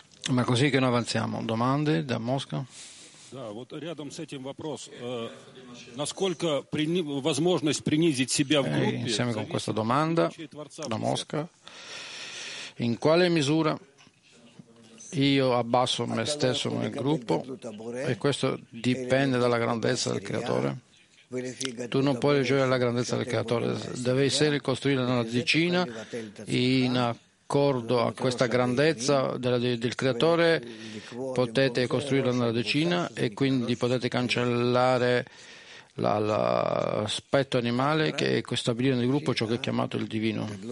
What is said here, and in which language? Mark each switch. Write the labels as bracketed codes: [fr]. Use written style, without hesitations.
[it] Ma così che noi avanziamo, domande da Mosca? [ru] Да, вот рядом с этим вопрос. Насколько возможность принизить себя в группе? [it] Insieme con questa domanda da Mosca. In quale misura io abbasso me stesso nel gruppo? E questo dipende dalla grandezza del creatore. Tu non puoi ricevere la grandezza del creatore, devi essere costruito una decina in accordo a questa grandezza del creatore, potete costruirla nella decina e quindi potete cancellare l'aspetto animale che è stabilire nel gruppo ciò che è chiamato il divino.